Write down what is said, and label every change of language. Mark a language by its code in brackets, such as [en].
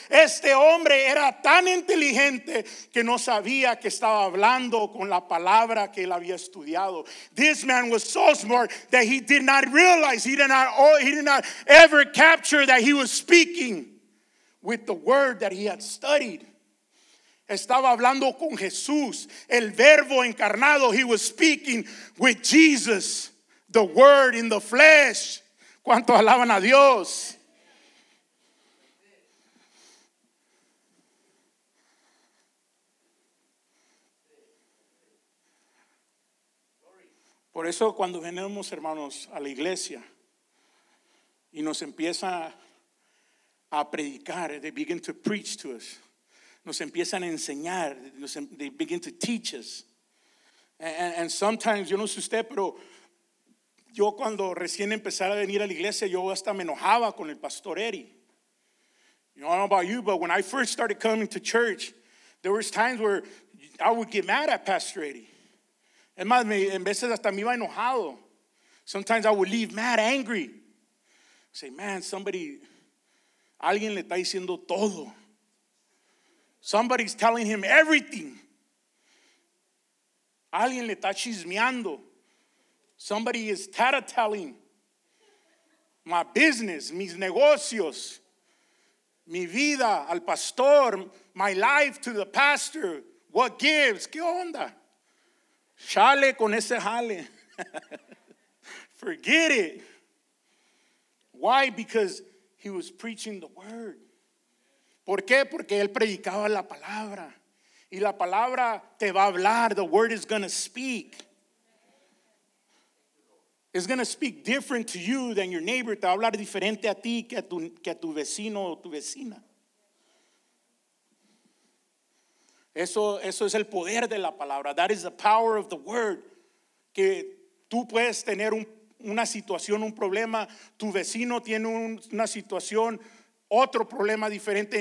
[es] Este hombre era tan inteligente que no sabía que estaba hablando con la palabra que él había estudiado. [en] This man was so smart that he did not realize, he did not ever capture that he was speaking with the word that he had studied. [es] Estaba hablando con Jesús, el verbo encarnado. [en] He was speaking with Jesus, the word in the flesh. [es] ¿Cuántos alaban a Dios? Por eso cuando venimos, hermanos, a la iglesia y nos empieza a predicar, [en] they begin to preach to us, [es] nos empiezan a enseñar, [en] they begin to teach us. And sometimes, [es] yo no sé usted, pero Yo cuando recién empezaba a venir a la iglesia, yo hasta me enojaba con el pastor Eddie. [en] You know, I don't know about you, but when I first started coming to church, there was times where I would get mad at Pastor Eddie. [es] Es más, en veces hasta me iba enojado. [en] Sometimes I would leave mad angry. Say, man, somebody, [es] alguien le está diciendo todo. [en] Somebody's telling him everything. [es] Alguien le está chismeando. [en] Somebody is tattletelling my business, [es] mis negocios, mi vida al pastor, [en] my life to the pastor. What gives? [es] ¿Qué onda? Chale con ese jale. [en] Forget it. Why? Because he was preaching the word. [es] ¿Por qué? Porque él predicaba la palabra. Y la palabra te va a hablar. [en] The word is going to speak. It's going to speak different to you than your neighbor. [es] Te va a hablar diferente a ti que a tu vecino o tu vecina. Eso es el poder de la palabra. [en] That is the power of the word. [es] Que tú puedes tener una situación, un problema. Tu vecino tiene una situación, otro problema diferente.